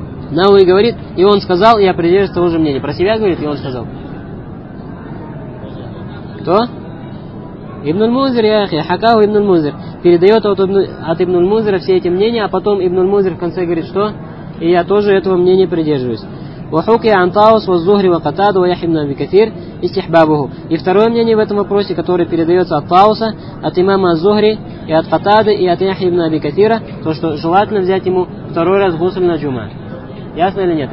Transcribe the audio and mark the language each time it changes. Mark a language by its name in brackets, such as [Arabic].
[Russian] Науи говорит, и он сказал, и я придерживаюсь того же мнения. Про себя говорит, и он сказал. Кто? Ибн аль-Мунзир, яхья, хакаху ибн аль-Мунзир. Передает от ибн аль-Мунзира все эти мнения, а потом ибн аль-Мунзир в конце говорит, что? И я тоже этого мнения придерживаюсь. [Arabic] وحكي عن طاووس والزهري وقتادة ويحيى بن أبي كثير استحبابه. [Russian] И второе мнение в этом вопросе, которое передается от Тауса, от имама Зухри и от Катады и от Яхьи ибн Аби Катира, то что желательно взять ему второй раз гусль на джума. Ясно или нет?